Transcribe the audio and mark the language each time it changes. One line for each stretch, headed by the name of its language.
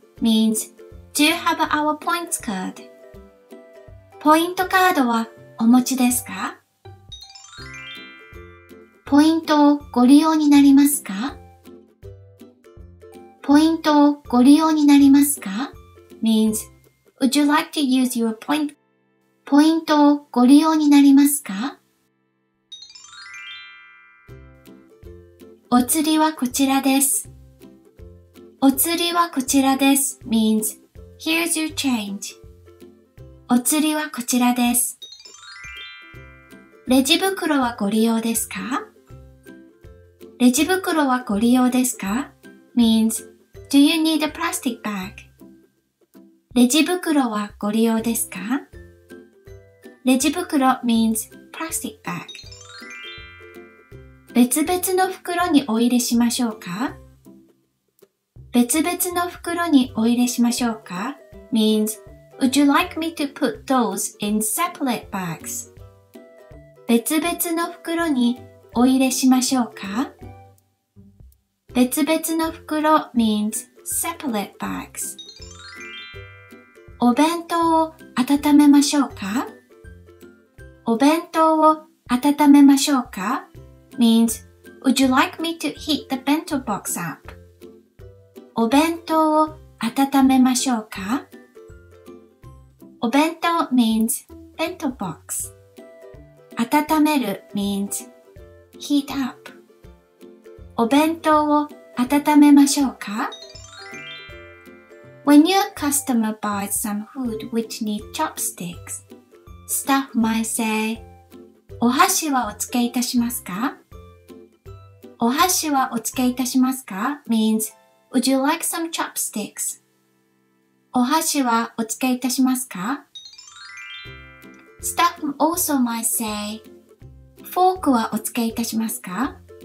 English: means do you have our points card?
Japanese: ポイントカードはお持ちですか？ポイントをご利用になりますか？ポイントをご利用になりますか？
English: means would you like to use your point?
Japanese: ポイントをご利用になりますか？お釣りはこちらです。お釣りはこちらです。
English: means here's your change.
Japanese: お釣りはこちらです。レジ袋はご利用ですか？レジ袋はご利用ですか？
English: means do you need a plastic bag?
Japanese: レジ袋はご利用ですか？
English: レジ袋 means plastic bag.
Japanese: 別々の袋にお入れしましょうか？別々の袋にお入れしましょうか？
English: means would you like me to put those in separate bags?
Japanese: 別々の袋にお入れしましょうか？
English: 別々の袋 means separate bags.
Japanese: お弁当を温めましょうか？お弁当を温めましょうか？
English: means would you like me to heat the bento box up?
Japanese: お弁当を温めましょうか？
English: お弁当 means bento box. 温める means heat up.
Japanese: お弁当を温めましょうか？
English: When your customer buys some food which needs chopsticks, staff might say,
Japanese: お箸はお付けいたしますか？お箸はお付けいたしますか？
English: means would you like some chopsticks?
Japanese: お箸はお付けいたしますか？
English: Staff also might say,
Japanese: フォークはお付けいたしますか？